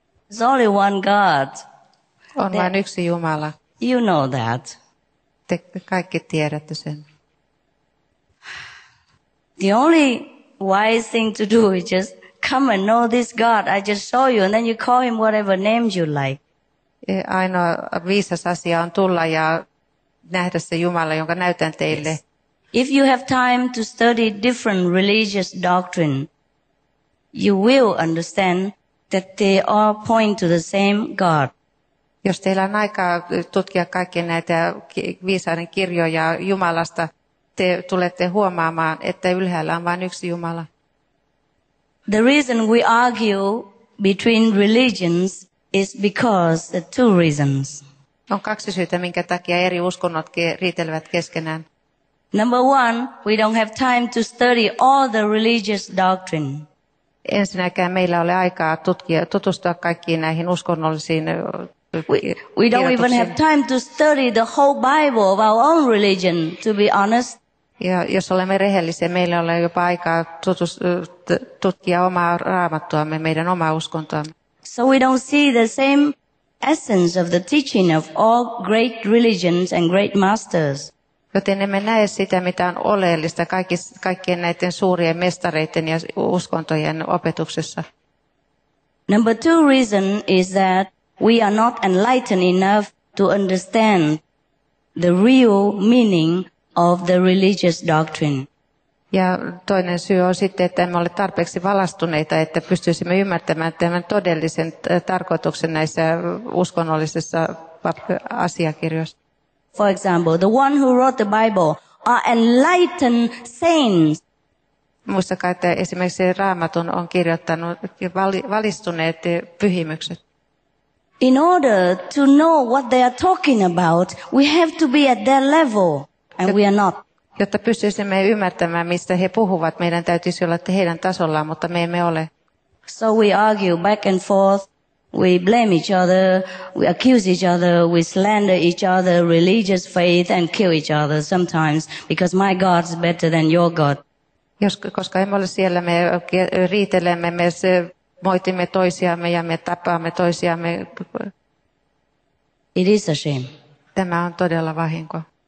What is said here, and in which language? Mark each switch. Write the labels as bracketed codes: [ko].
[en] There's only one God. [fi] On vain yksi Jumala. [en] You know that. [fi] Te kaikki tiedätte sen. [en] The only wise thing to do is just come and know this God. I just show you, and then you call him whatever name you like. [fi] Ainoa viisas asia on tulla ja nähdä se Jumala, jonka näytän teille. [en] Yes. If you have time to study different religious doctrine, you will understand that they all point to the same God. [fi] Jos teillä on aikaa tutkia kaikkia näitä viisaiden kirjoja Jumalasta, te tulette huomaamaan, että ylhäällä on vain yksi Jumala. [en] The reason we argue between religions is because the two reasons. [fi] On kaksi syytä, minkä takia eri uskonnot riitelevät keskenään. [en] Number one, we don't have time to study all the religious doctrine. [fi] Ensinnäkään meillä ei ole aikaa tutustua kaikkiin näihin uskonnollisiin. [en] We don't even have time to study the whole Bible of our own religion, to be honest. [fi] Ja jos olemme rehellisiä, meillä ei ole jopa aikaa tutkia omaa raamattuamme, meidän omaa uskontoamme. [en] So we don't see the same essence of the teaching of all great religions and great masters. [fi] Joten emme näe sitä, mitä on oleellista kaikkien näiden suurien mestareiden ja uskontojen opetuksessa. [en] Number two reason is that we are not enlightened enough to understand the real meaning of the religious doctrine. [fi] Ja toinen syy on sitten, että emme ole tarpeeksi valastuneita, että pystyisimme ymmärtämään tämän todellisen tarkoituksen näissä uskonnollisissa asiakirjoissa. [en] For example, the one who wrote the Bible are enlightened saints. [fi] Muistakaa, että esimerkiksi Raamatun on kirjoittanut valistuneet pyhimykset. [en] In order to know what they are talking about, we have to be at their level, and we are not. [fi] Jotta pystyisimme ymmärtämään, mistä he puhuvat, meidän täytyisi olla heidän tasollaan, mutta me emme ole. [en] So we argue back and forth. We blame each other, we accuse each other, we slander each other, religious faith, and kill each other sometimes, because my God is better than your God. [fi] Koska emme ole siellä, me riitelemme, me moitimme toisiamme ja me tapaamme toisiamme. [en] It is a shame. [fi] Tämä on todella vahinko.